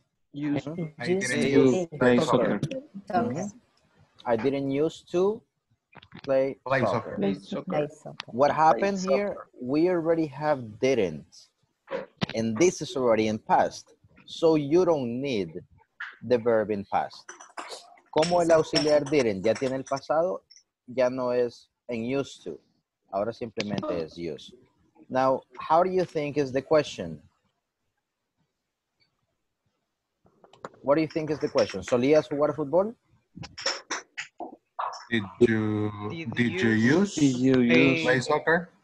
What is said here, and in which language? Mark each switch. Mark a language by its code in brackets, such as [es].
[en] I didn't used to play soccer. What happened play here? Soccer. We already have didn't. And this is already in past. So you don't need the verb in past. [es] Como el auxiliar didn't ya tiene el pasado, ya no es en used to. Ahora simplemente es used. [en] Now, how do you think is the question? What do you think is the question? [es] ¿Solías jugar fútbol? [en] Did you play soccer?